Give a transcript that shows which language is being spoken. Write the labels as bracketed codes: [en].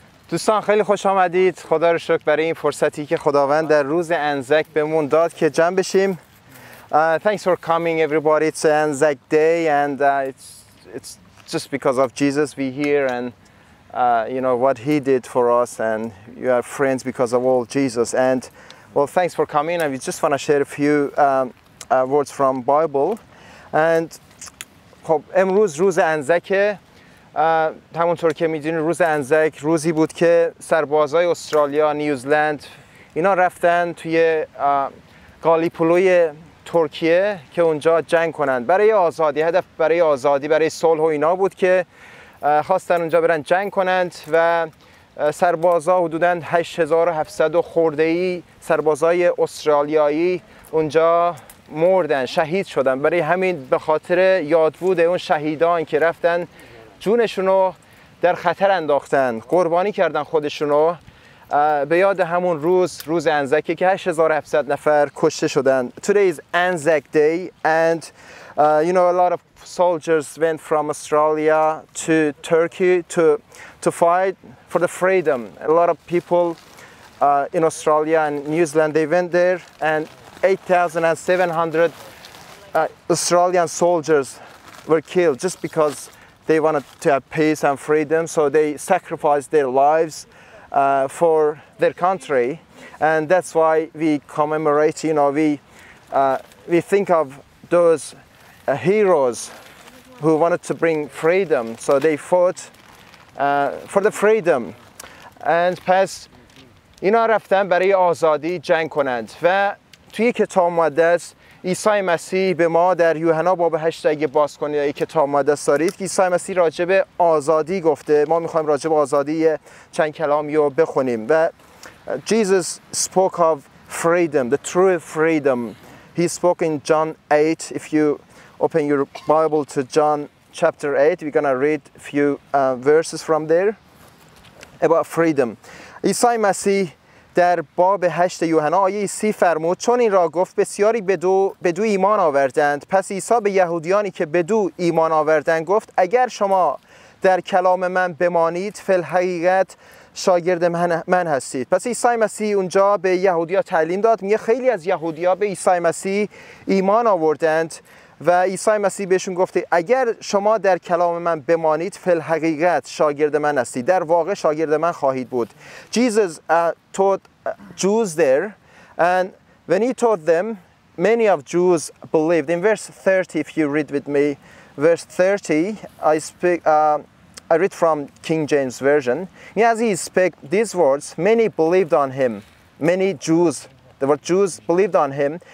[fa] دوستان خیلی خوش آمدید، خدا رو شکر برای این فرصتی که خداوند در روز انزک بهمون داد که جمع بشیم. [en] Thanks for coming everybody, it's Anzac Day and it's just because of Jesus we're here and you know what he did for us and you are friends because of all Jesus. And well, thanks for coming and we just want to share a few words from Bible. And [fa] خب امروز روز انزکه. همونطور که میدونی روز انزک روزی بود که سربازای استرالیا، نیوزلند اینا رفتن توی گالیپولوی ترکیه که اونجا جنگ کنن برای آزادی. هدف برای آزادی، برای صلح و اینا بود که خواستن اونجا برن جنگ کنند و سربازا حدوداً 8700 خورده‌ای سربازای استرالیایی اونجا مردن، شهید شدن. برای همین به خاطر یاد بوده اون شهیدان که رفتن جونشون رو در خطر انداختن، قربانی کردن خودشون رو به یاد همون روز، روز انزکه که 8700 نفر کشته شدن. [en] Today is Anzac Day and you know a lot of soldiers went from Australia to Turkey to fight for the freedom. A lot of people in Australia and New Zealand they went there and 8700 Australian soldiers were killed just because they wanted to have peace and freedom, so they sacrificed their lives for their country, and that's why we commemorate. You know, we think of those heroes who wanted to bring freedom. So they fought for the freedom, and [fa] پس اینا رفتن برای آزادی جنگ کنند. و توی کتاب مقدس عیسی مسیح به ما در یوحنا باب 8 اگه باز کنید یک کتاب مقدس دارید، عیسی مسیح راجب آزادی گفته. ما میخوایم راجب آزادی چند کلامی رو بخونیم. و [en] Jesus spoke of freedom, the true freedom. He spoke in John 8. If you open your Bible to John chapter 8, we're going to read a few verses from there about freedom. [fa] عیسی مسیح در باب 8 یوحنا آیه 30 فرمود: چون این را گفت بسیاری بدو ایمان آوردند. پس عیسی به یهودیانی که بدو ایمان آوردند گفت: اگر شما در کلام من بمانید فی الحقیقت شاگرد من هستید. پس عیسی مسیح اونجا به یهودیا تعلیم داد. میگه خیلی از یهودیا به عیسی مسیح ایمان آوردند و عیسی مسیح بهشون گفته: اگر شما در کلام من بمانید فی الحقیقت شاگرد من هستید، در واقع شاگرد من خواهید بود. [en] Jesus taught Jews there and when he taught them many of Jews believed. In verse 30, if you read with me verse 30, I read from King James version. As he spoke these words many believed on him. Many Jews, there were Jews believed on him.